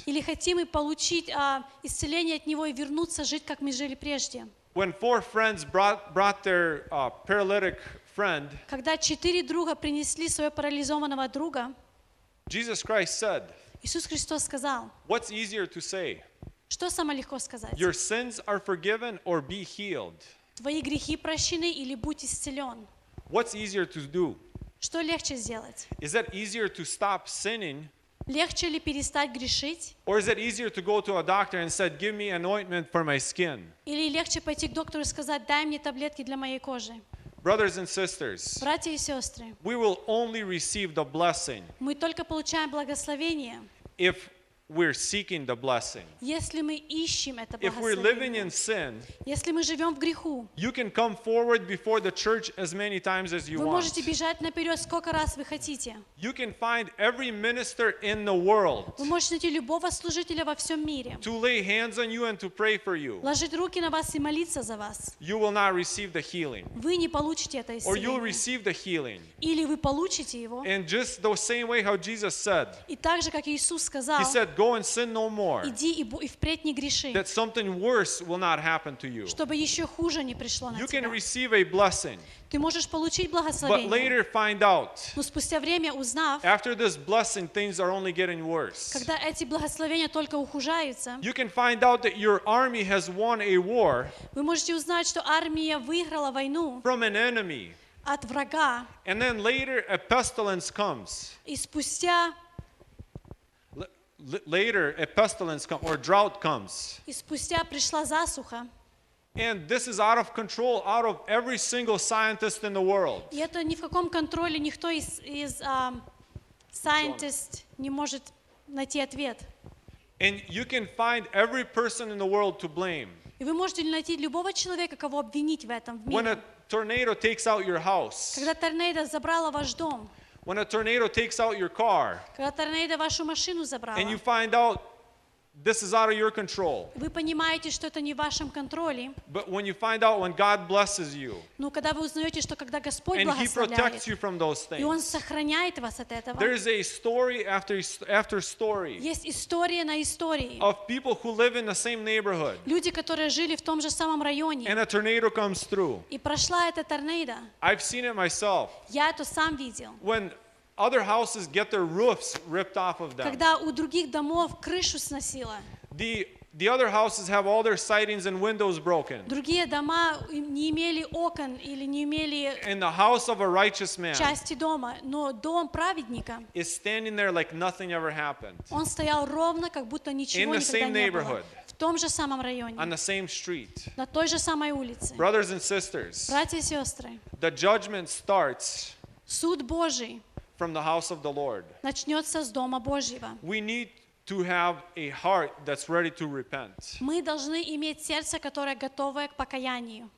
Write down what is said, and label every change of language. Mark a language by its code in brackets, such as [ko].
[ru] Или хотим мы получить исцеление от него и вернуться жить как мы жили прежде? [en] When four friends brought their paralytic friend, [ru] когда четыре друга принесли своего парализованного друга, [en] Jesus Christ said, [ru] Иисус Христос сказал, [en] what's easier to say? [ru] Что самое легко сказать? [en] Your sins are forgiven or be healed. [ru] Твои грехи прощены или будь исцелен. [en] What's easier to do? [ru] Что легче сделать? [en] Is it easier to stop sinning? [ru] Легче ли перестать грешить? [en] Or is it easier to go to a doctor and say, give me an ointment for my skin? [ru] Или легче пойти к доктору и сказать, дай мне таблетки для моей кожи? [en] Brothers and sisters, [ru] братья и сестры, [en] we will only receive the blessing. [ru] Мы только получаем благословение. [en] If we're seeking the blessing. [ru] Если мы ищем это благословение. [en] If we're living in sin. [ru] Если мы живем в греху. [en] You can come forward before the church as many times as you want. [ru] Вы можете бежать наперед сколько раз вы хотите. [en] You can find every minister in the world. [ru] Вы можете найти любого служителя во всем мире. [en] To lay hands on you and to pray for you. [ru] Ложить руки на вас и молиться за вас. [en] You will not receive the healing. [ru] Вы не получите это исцеление. [en] Or you'll receive the healing. [ru] Или вы получите его. [en] And just the same way how Jesus said. [ru] И так же как Иисус сказал. [en] He said, Go and sin no more. [ru] Иди и впредь не греши. [en] That something worse will not happen to you. [ru] Чтобы еще хуже не пришло на тебя. [en] You can receive a blessing. [ru] Ты можешь получить благословение. [en] But later find out. [ru] Но спустя время узнав. [en] After this blessing, things are only getting worse. [ru] Когда эти благословения только ухудшаются. [en] You can find out that your army has won a war. [ru] Вы можете узнать, что армия выиграла войну. [en] From an enemy. [ru] От врага. [en] And then later a pestilence comes. [ru] И спустя [en] Later, a pestilence comes or drought comes. [ru] И спустя пришла засуха. [en] And this is out of control, out of every single scientist in the world. [ru] И это ни в каком контроле, никто из scientist не может найти ответ. [en] And you can find every person in the world to blame. [ru] И вы можете найти любого человека, кого обвинить в этом в мире. [en] When a tornado takes out your house. [ru] Когда торнадо забрало ваш дом. [en] When a tornado takes out your car, [ru] когда торнадо вашу машину забрало, [en] and you find out this is out of your control, [ru] вы понимаете, что это не в вашем контроле, [en] but when you find out when God blesses you, [ru] ну когда вы узнаете, что когда Господь благословляет, [en] and He protects you from those things, [ru] и Он сохраняет вас от этого, [en] there is a story after story, [ru] есть история на истории, [en] of people who live in the same neighborhood, [ru] люди, которые жили в том же самом районе, [en] and a tornado comes through, [ru] и прошла эта торнадо, [en] I've seen it myself, [ru] я это сам видел, [en] when Other houses get their roofs ripped off of them. [ru] Когда у других домов крышу сносило. [en] The other houses have all their sidings and windows broken. [ru] Другие дома не имели окон или не имели. [en] In the house of a righteous man. [ru] Части дома, но дом праведника. [en] Is standing there like nothing ever happened. [ru] Он стоял ровно, как будто ничего никогда не было. [en] In the same neighborhood. [ru] В том же самом районе. [en] On the same street. [ru] На той же самой улице. [en] Brothers and sisters. [ru] Братья и сестры. [en] The judgment starts. [ru] Суд Божий. [en] From the house of the Lord. [ru] Начнется с дома Божьего. [en] We need to have a heart that's ready to repent. [ru] Мы должны иметь сердце, которое готовое к покаянию.